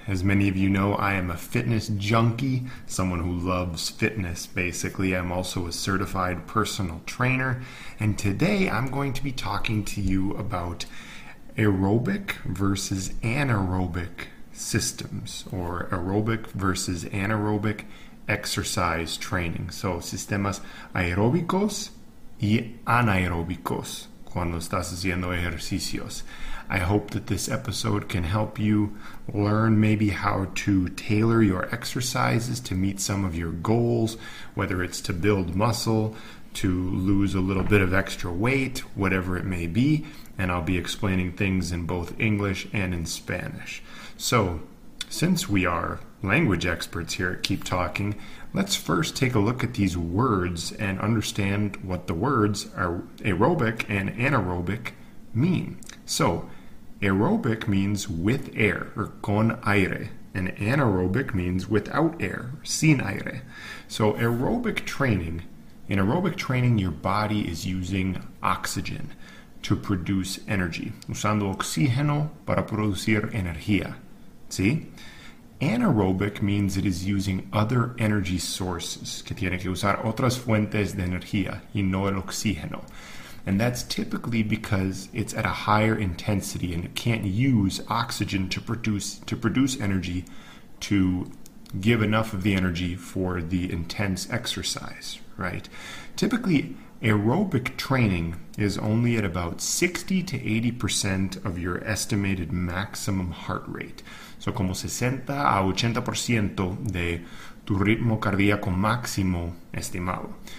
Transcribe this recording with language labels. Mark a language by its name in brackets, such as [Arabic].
[English] As many of you know, I am a fitness junkie, someone who loves fitness, basically. I'm also a certified personal trainer, and today I'm going to be talking to you about aerobic versus anaerobic systems, or aerobic versus anaerobic exercise training. [Spanish] So, sistemas aeróbicos y anaeróbicos cuando estás haciendo ejercicios. [English] I hope that this episode can help you learn maybe how to tailor your exercises to meet some of your goals, whether it's to build muscle, to lose a little bit of extra weight, whatever it may be. And I'll be explaining things in both English and in Spanish. So, since we are language experts here at Keep Talking, let's first take a look at these words and understand what the words are aerobic and anaerobic mean. So, aerobic means with air, or [Spanish] con aire, [English] and anaerobic means without air, [Spanish] sin aire. [English] So, in aerobic training, your body is using oxygen to produce energy. [Spanish] Usando oxígeno para producir energía. See? [English] Anaerobic means it is using other energy sources. [Spanish] Que tiene que usar otras fuentes de energía y no el oxígeno. [English] And that's typically because it's at a higher intensity and it can't use oxygen to produce energy to give enough of the energy for the intense exercise, right? Typically, aerobic training is only at about 60 to 80% of your estimated maximum heart rate. [Spanish] So como 60 a 80% de tu ritmo cardíaco máximo estimado.